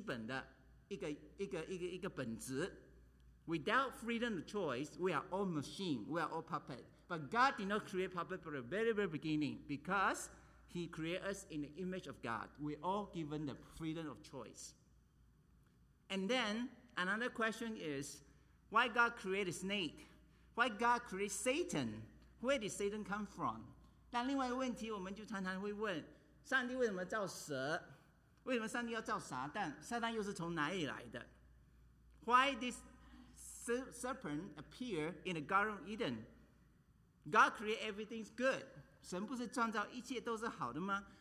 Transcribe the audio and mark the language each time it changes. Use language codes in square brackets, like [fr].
[zh] 就每一个人都被赐予自由意志，这是成为人最基本的一个本质。 [en] Without freedom of choice, we are all machine, we are all puppet. But God did not create puppet from the very, very beginning because He created us in the image of God. We are all given the freedom of choice. And then, another question is, why God created a snake? Why God created Satan? Where did Satan come from? [zh] 但另外一个问题我们就常常会问，上帝为什么造蛇？为什么上帝要造撒旦？撒旦又是从哪里来的？ [en] Why this serpent appear in the Garden of Eden? God created everything good. [zh] 神不是创造一切都是好的吗？